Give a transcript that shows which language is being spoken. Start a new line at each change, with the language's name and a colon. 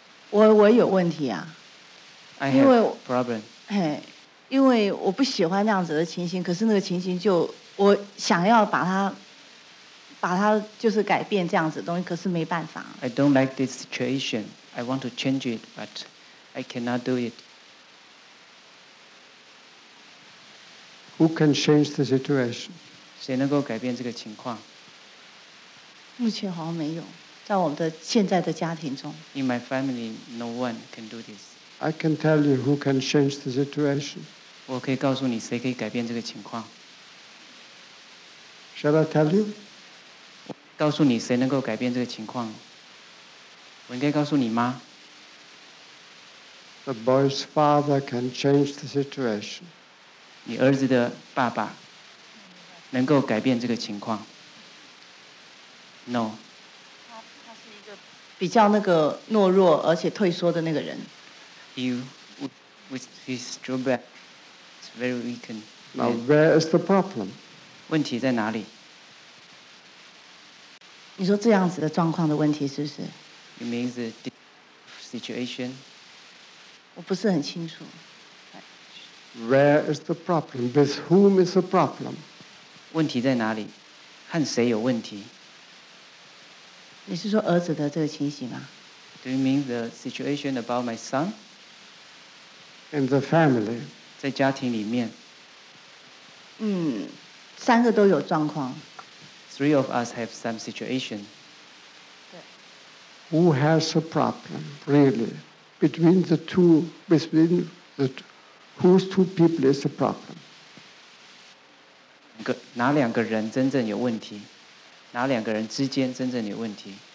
Chinese: 我有问题啊。
English: I have problem.
Chinese: 因为我不喜欢那样子的情形，可是那个情形就我想要把它就是改变这样子的东西，可是没办法。
English: I don't like this situation. I want to change it, but I cannot do it. Who can change the situation?
Chinese: 谁能够改变这个情况？目前好像没有，在我们的现在的家庭中。
English: In my family, no one can do this. I can tell you who can change the situation.
Chinese: 我可以告诉你谁可以改变这个情况。
English: Shall I tell you?
Chinese: 告诉你谁能够改变这个情况？我应该告诉你吗
English: ？The boy's father can change the situation.
Chinese: 你儿子的爸爸能够改变这个情况 ？
English: No.
Chinese: 他是一个比较那个懦弱而且退缩的那个人。
English: With his drawback, it's very weak. Now, where is the problem?
Chinese: 问题在哪里？你说这样子的状况的问题是不是
English: ？You mean the situation？
Chinese: 我不是很清楚。
English: Where is the problem? With whom is the problem?
Chinese: 问题在哪里？和谁有问题？你是说儿子的这个情形吗
English: ？Do you mean the situation about my son? In the family，
Chinese: 在家庭里面。三个都有状况。
English: Three of us have some situation. Who has a problem, really? Between the two, between the two, whose two people is the problem?
Chinese: 哪两个人真正有问题？哪两个人之间真正有问题？